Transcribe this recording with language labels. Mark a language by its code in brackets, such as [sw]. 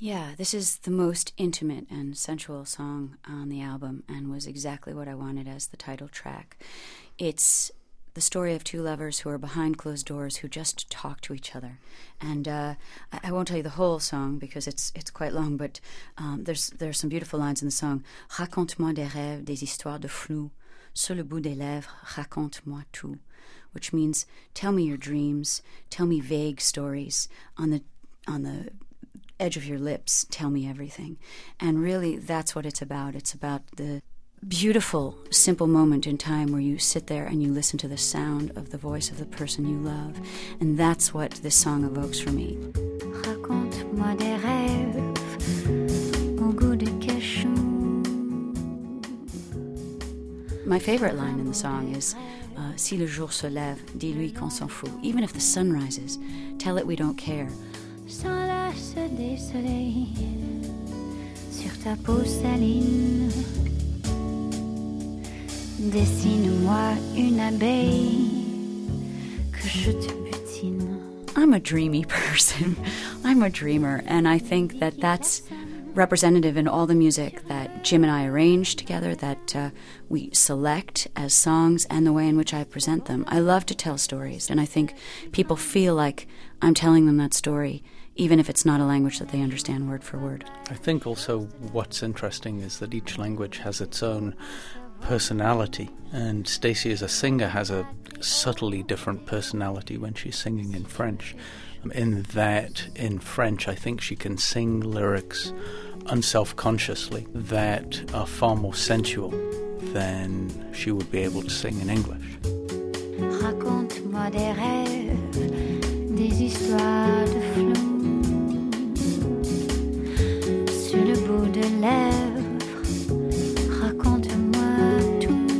[en] Yeah, this is the most intimate and sensual song on the album and was exactly what I wanted as the title track. It's the story of two lovers who are behind closed doors who just talk to each other. And I won't tell you the whole song because it's quite long, but there's some beautiful lines in the song. [fr] Raconte-moi des rêves, des histoires de flou, sur le bout des lèvres, raconte-moi tout. [en] Which means, tell me your dreams, tell me vague stories, on the edge of your lips, tell me everything. And really, that's what it's about. It's about the beautiful, simple moment in time where you sit there and you listen to the sound of the voice of the person you love. And that's what this song evokes for me. [fr] Raconte-moi des rêves, au goût des cachons. [en] My favorite line in the song is, [fr] si le jour se lève, dis-lui qu'on s'en fout. [en] Even if the sun rises, tell it we don't care. [fr] S'enlace des soleils sur ta peau saline. Dessine-moi une abeille que je te butine. [en] I'm a dreamy person. I'm a dreamer, and I think that that's representative in all the music that Jim and I arrange together, that we select as songs, and the way in which I present them. I love to tell stories, and I think people feel like I'm telling them that story, even if it's not a language that they understand word for word. I think also what's interesting is that each language has its own personality, and Stacey as a singer has a subtly different personality when she's singing in French. In that, in French, I think she can sing lyrics unself-consciously that are far more sensual than she would be able to sing in English. [fr] Raconte-moi des rêves, des histoires de flou. Sur le bout de lèvres, raconte-moi tout.